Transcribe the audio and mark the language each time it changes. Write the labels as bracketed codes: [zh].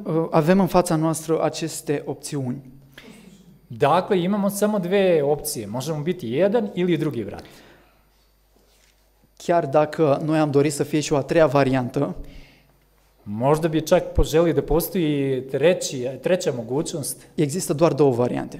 [ro] Avem în fața noastră aceste opțiuni. [sr] Dakle, imamo samo dve opcije. Možemo biti jedan ili drugi brat. [ro] Chiar dacă noi am dorit să fie și o a treia variantă, [sr] možda bi čak poželi da postoji treća mogućnost. [ro] Există doar două variante.